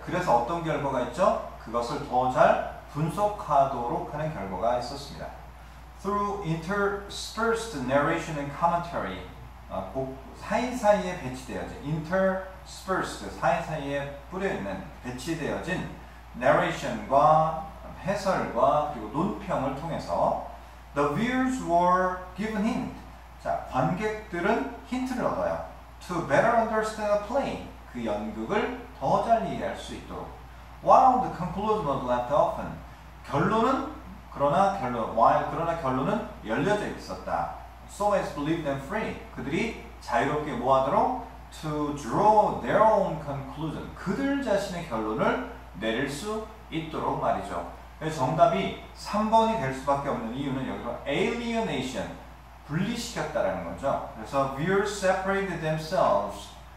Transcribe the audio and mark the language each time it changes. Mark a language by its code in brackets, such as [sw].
[ko] 그래서 어떤 결과가 있죠? 그것을 더 잘 분석하도록 하는 결과가 있었습니다. [en] Through interspersed narration and commentary, [ko] 사이사이에 배치되어진, [en] interspersed, [ko] 사이사이에 뿌려있는, 배치되어진 [en] narration [ko] 과 해설과 그리고 논평을 통해서 [en] The viewers were given hint. [ko] 자, 관객들은 힌트를 얻어요. [en] To better understand the play, [ko] 그 연극을 더 잘 이해할 수 있도록. [en] While the conclusion was left open, [ko] 결론은 그러나 결론은 열려져 있었다. [en] So as to leave them free. [ko] 그들이 자유롭게 뭐 하도록? [en] To draw their own conclusion. [ko] 그들 자신의 결론을 내릴 수 있도록 말이죠. 그래서 정답이 3번이 될 수밖에 없는 이유는 여기서 alienation. 분리시켰다라는 거죠. 그래서 [en] viewers separated themselves.